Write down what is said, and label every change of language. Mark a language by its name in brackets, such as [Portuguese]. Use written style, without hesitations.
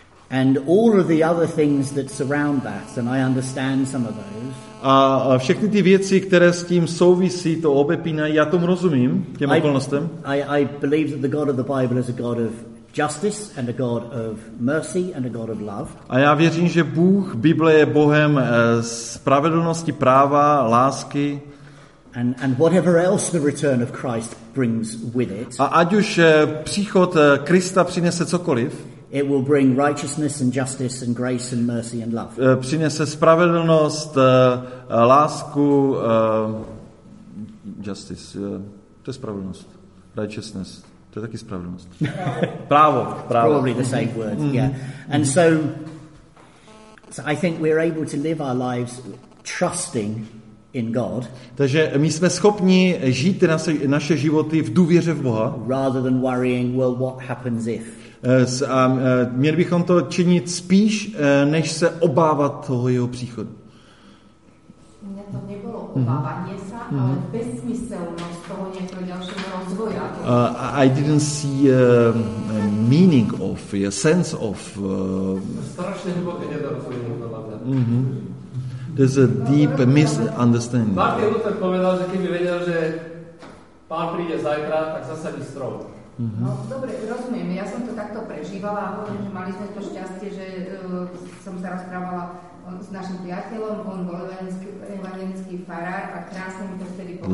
[English] And all of the other things that surround that, and I understand some of those. [Czech] A všechny ty věci, které s tím souvisí, to obepínají, já tomu rozumím, těm okolnostem. [English] I believe that the God of the Bible is a God of justice and a God of mercy and a God of love. [Czech] A já věřím, že Bůh Bible je Bohem spravedlnosti, práva, lásky. [English] And whatever else the return of Christ brings with it. [Czech] A ať už příchod Krista přinese cokoliv. [English] It will bring righteousness and justice and grace and mercy and love. [Czech] Přinese spravedlnost, lásku, justice, to je spravedlnost, righteousness. To je taky spravedlnost. Právo. [English] Probably the same word. Mm-hmm. Yeah. And so I think we're able to live our lives trusting in God. [Czech] Takže my jsme schopni žít naše životy v důvěře v Boha. [English] Rather than worrying, well, what happens if? [Czech] Měli bychom to činit spíš, než se obávat toho jeho příchodu. Mně to nebylo obávání se, ale bezmyslnost toho nějakého dalšího. [English] I didn't see meaning of a sense of [Czech] strašně hluboké nedorozumění. [English] There's a deep misunderstanding. [Slovak] Martin Luther povedal, že keby vedel, že pán príde zajtra, tak zase by strol. Mm-hmm. No, dobre, rozumiem. Ja som to takto prežívala a hovorím, že mali sme to šťastie, že som sa rozprávala s našim priateľom, on bol evangelický farár a krásne mi to vtedy povedal.